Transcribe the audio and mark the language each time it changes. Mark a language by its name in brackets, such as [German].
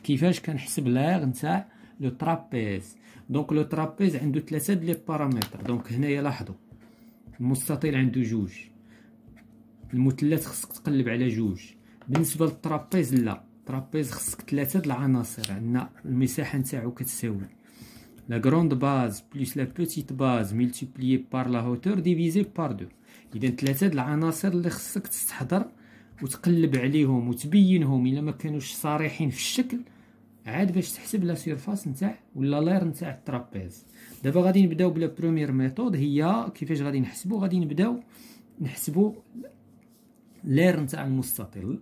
[Arabic] كيفاش كنحسب لاغ نتاع لو ترابيز؟ دونك لو ترابيز عنده ثلاثه ديال لي بارامتر. دونك هنا يلاحظوا المستطيل عنده جوج، المثلث خصك تقلب على جوج. بالنسبه للترابيز لا، ترابيز خصك ثلاثه ديال العناصر. عندنا المساحه نتاعو كتساوي [French] la grande base plus la petite base multipliée par la hauteur divisée par 2. [Arabic] اذا ثلاثه د العناصر اللي خصك تستحضر وتقلب عليهم وتبينهم الا ما كانوش صريحين في الشكل عاد باش تحسب لا سيرفاس نتاع ولا لير نتاع الترابيز. دابا غادي نبداو بلا بروميير ميثود. هي كيفاش غادي نحسبو؟ غادي نبداو نحسبو لير نتاع المستطيل.